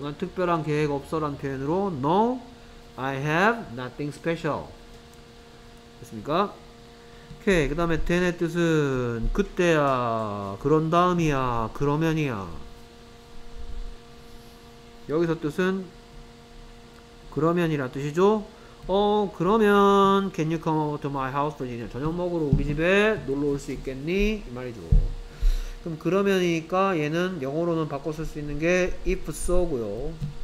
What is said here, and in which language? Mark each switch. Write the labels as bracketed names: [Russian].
[Korean] 난 특별한 계획 없어라는 표현으로 [English] No, I have nothing special. [Korean] 됐습니까? 오케이. 그 다음에 then의 뜻은 그때야, 그런 다음이야, 그러면이야. 여기서 뜻은 그러면이라 뜻이죠. [English] 그러면 can you come over to my house for dinner? [Korean] 저녁 먹으러 우리 집에 놀러 올수 있겠니? 이 말이죠. 그럼 그러면이니까 얘는 영어로는 바꿔 쓸수 있는 게 [English] if so [Korean] 고요.